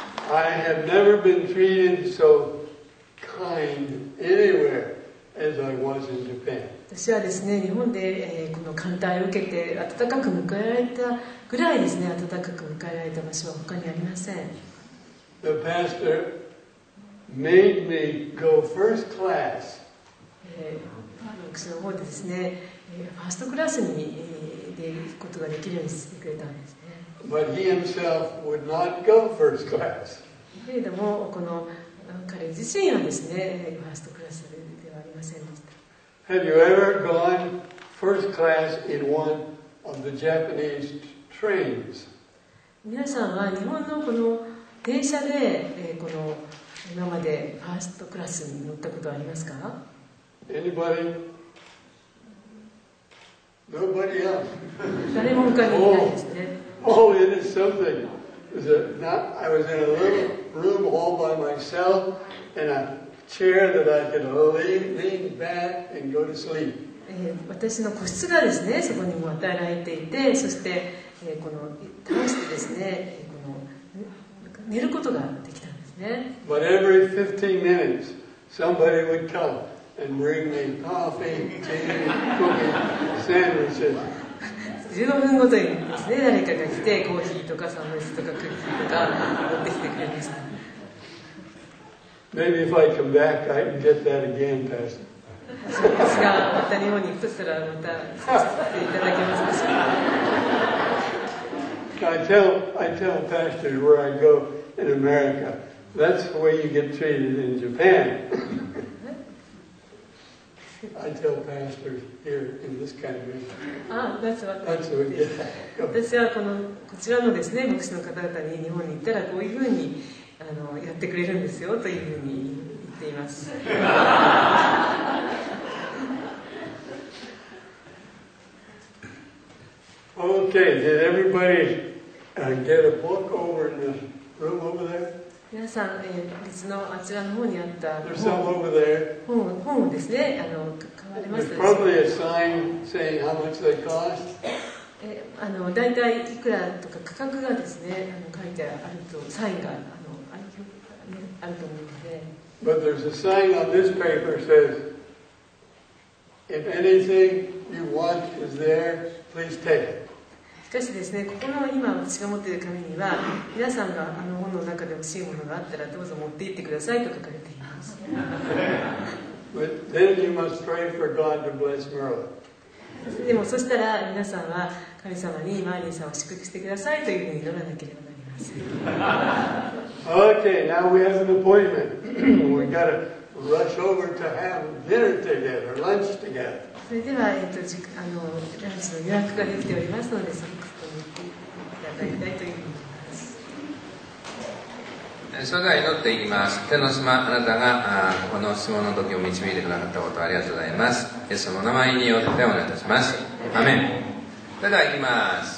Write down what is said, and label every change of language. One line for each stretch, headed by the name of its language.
English: I have never been treated so kind anywhere as I was in Japan.
Japanese: 私はですね、日本でこの歓待を受けて温かく迎えられたぐらいですね、温かく迎えられた場所は他にありません。
English: The pastor made me go first class.
Japanese: 私の方でですね、ファーストクラスに出ることができるようにしてくれたんですね。
English: But he himself would not go first class.
Japanese: けれども、この彼自身はですね、ファーストクラスではありませんでした。
English: Have you ever gone first class in one of the Japanese trains?
Japanese: 皆さんは日本のこの電車で、この今までファーストクラスに乗ったことはありますか？
English: Anybody? Nobody else.
Japanese: 誰も他にいないですね。
English: Oh, it is something. I was in a little room all by myself and a chair that I could lean back and go to sleep.
Japanese: 私の個室がですね、そこにも与えられていて、そして、この倒してですね、この寝ることができたんですね。
English: But every 15 minutes, somebody would come. And bring me coffee, tea, cooking, sandwiches.
Japanese: 15分ごとにですね、誰かが来てコーヒーとかサンドイッチとかクッキーとか持ってきてくれました。
English: Maybe if I come back, I can get that again, Pastor.
Japanese: そうですが、また日本に行くとしたらまたさせていただけますでしょうか。
English: I tell Pastor where I go in America. That's the way you get treated in Japan. I tell pastors here in this country. That's what. That's what.
Japanese: 私はこのこちらのですね、牧師の方々に日本に行ったらこういうふうにやってくれるんですよというふうに言っています。
English: Okay. Did everybody get a book over in the room over there?
Japanese: 皆さん、別のあちらの方にあった本をですね、買われましたでしょうか。
English: There's probably a sign saying how much they cost.
Japanese: 大体いくらとか価格がですね、書いてあるとサインが あると思うので。
English: But there's a sign on this paper says, if anything you want is there, please take it.
Japanese: しかしですね、ここの今私が持っている紙には、皆さんがあの本の中で欲しいものがあったらどうぞ持って行ってくださいと書かれています。
English: But then you must pray for God to bless Merla.
Japanese: でもそしたら皆さんは神様にマーリーさんを祝福してくださいというふうに祈らなければなりません。
English: Okay, now we have an appointment. We gotta rush over to have dinner together, lunch together.
Japanese: それでは、あのランチの予約ができておりますので、そのことにいただきたいというふうに思います。それでは祈っていきます。天の島、あなたがこの質問の時を導いてくださったことをありがとうございます。イエス様の名前によってお願いいたします。アメン。それではいきます。